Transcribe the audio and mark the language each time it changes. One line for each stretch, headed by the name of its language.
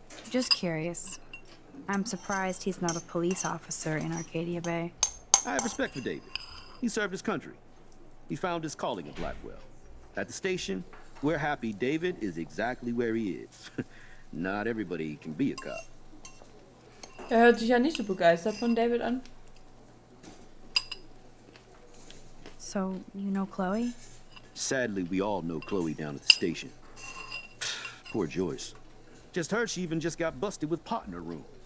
English: Just curious. I'm surprised he's not a police officer in Arcadia Bay. I have respect for David. He served his country. He found his calling at Blackwell. At the station, we're happy David is exactly where he is. Not everybody can be a cop.
German: Er hört sich ja nicht so begeistert von David an.
English: So, you know Chloe? Sadly, we all know Chloe down at the station. Poor Joyce. Just heard she even just got busted with pot in her room.